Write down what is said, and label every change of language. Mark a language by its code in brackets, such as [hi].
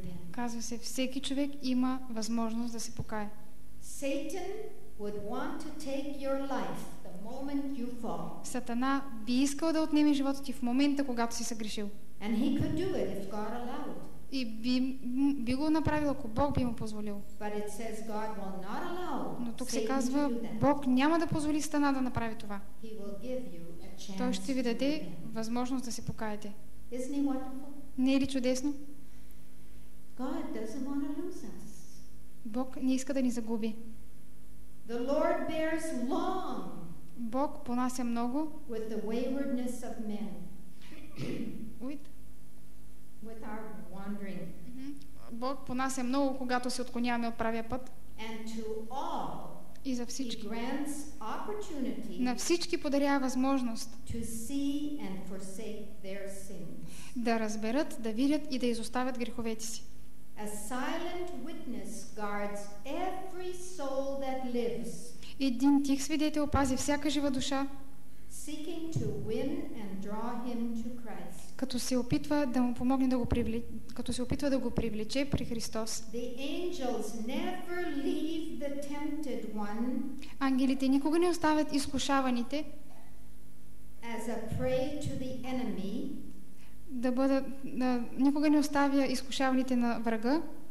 [bg] Казва се, всеки човек има възможност да се покае. [en] Сатан would want to take your life the moment you fall. [bg] Сатана би искал да отнеме живота ти в момента, когато си съгрешил. [en] And he could do it if God allowed. [bg] И би го направил, ако Бог би му позволил. [en] But it says God will not allow. [bg] Но тук [en] Satan [bg] се казва, Бог няма да позволи Сатана да направи това. [en] He will give you a chance. [bg] Той ще ви даде възможност да се покаете. [en] Isn't he wonderful? [bg] Не е ли чудесно? [en] God doesn't want to lose us. [bg] Бог не иска да ни загуби. [en] The Lord bears long. [bg] Бог понася много. [en] With the waywardness of men. With our wandering. [bg] Бог понася много, когато се отклоняваме от правия път. [en] And to all. [bg] И за всички. [en] He grants opportunity. [bg] На всички подарява възможност. [en] To see and forsake their sin. [bg] Да разберат, да видят и да изоставят греховете си. [en] A silent witness guards every soul that lives. [bg] Един тих свидетел пази всяка жива душа, [en] seeking to win and draw him to Christ. [bg] Като се опитва да му помогне да го привлече, като се опитва да го привлече при Христос. [en] The angels never leave the tempted one. [bg] Ангелите никога не оставят изкушаваните. [en] As a prey to the enemy. [bg] Да бъда, да, никога не оставя изкушаваните на врага.